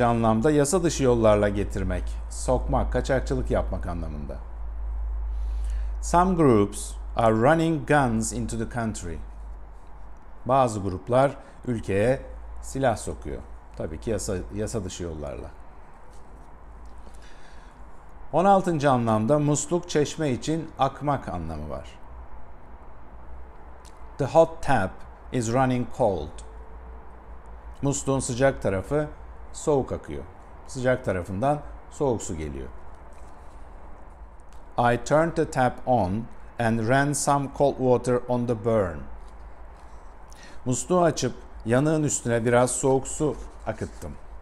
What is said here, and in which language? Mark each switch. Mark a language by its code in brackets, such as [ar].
[tr] anlamda yasa dışı yollarla getirmek, sokmak, kaçakçılık yapmak anlamında. [en] Some groups are running guns into the country. [tr] Bazı gruplar ülkeye silah sokuyor. Tabii ki yasa dışı yollarla. 16. anlamda musluk çeşme için akmak anlamı var. [en] The hot tap is running cold. [tr] Musluğun sıcak tarafı soğuk akıyor. Sıcak tarafından soğuk su geliyor. [en] I turned the tap on and ran some cold water on the burn. [tr] Musluğu açıp yanığın üstüne biraz soğuk su akıttım.